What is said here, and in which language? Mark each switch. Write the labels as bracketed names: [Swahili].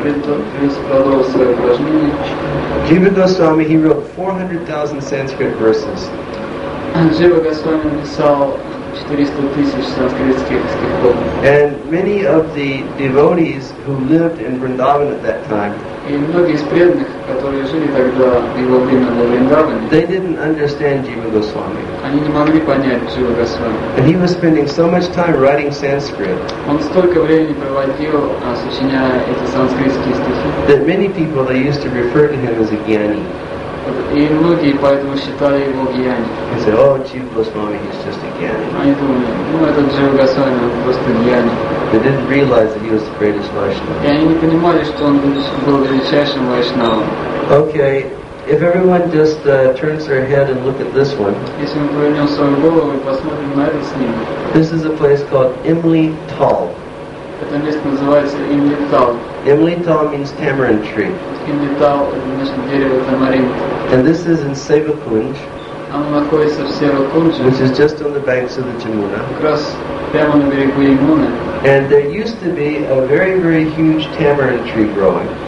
[English] Jiva Goswami, he wrote 400,000 Sanskrit verses. [Russian] Jiva Goswami написал 400,000 санскритских стихов. [English] And many of the devotees who lived in Vrindavan at that time, [Russian] и многие из преданных, которые жили тогда его время на Вриндаване, [English] they didn't understand Jiva Goswami. [Russian] Они не могли понять Джива Госвами. [English] And he was spending so much time writing Sanskrit. [Russian] Он столько времени проводил, сочиняя эти санскритские стихи. [English] That many people they used to refer to him as a gyani. [Russian] И многие поэтому считали его гьяни. [English] They said, "Oh, Jiva Goswami, he's just a gyani." [Russian] Они думали, ну этот Джива Госвами просто гьяни. [English] They didn't realize that he was the greatest Vaishnava. [Russian] Я не понимали, что он был величайшим Вайшнавом. [English] Okay, if everyone just turns their head and look at this one. [Russian] Если мы повернем свою голову и посмотрим на этот снимок. [English] This is a place called Imli Tal. [Russian] Это место называется Imli Tal. [English] Imli Tal means tamarind tree. [Russian] Imli Tal значит дерево тамаринд. [English] And this is in Sevakunj. [Russian] Оно находится в Севакунж. [English] Which is just on the banks of the Jamuna. [Russian] Как раз прямо на берегу Ямуны. [English] And there used to be a very, very huge tamarind tree growing.